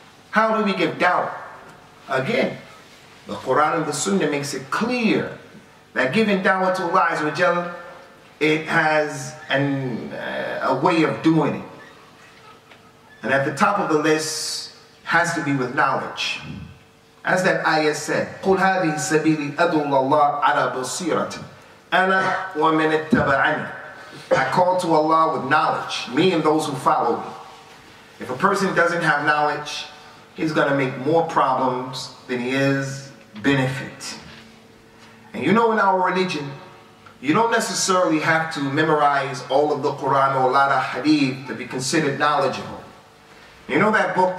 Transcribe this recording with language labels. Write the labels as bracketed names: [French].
[English] How do we give da'wah? Again, the Quran and the Sunnah makes it clear that giving da'wah to Allah Azza wa Jalla, it has a way of doing it. And at the top of the list has to be with knowledge. As that ayah said, [Arabic] قُلْ هَذِي سَبِيلِ أَدُوَ اللَّهِ عَلَى بَصِيرَةٍ أَنَا وَمَنِ اتَّبَعَنِ. [English] I call to Allah with knowledge, me and those who follow me. If a person doesn't have knowledge, he's going to make more problems than he is benefit. And you know, in our religion, you don't necessarily have to memorize all of the Quran or a lot of hadith to be considered knowledgeable. You know that book?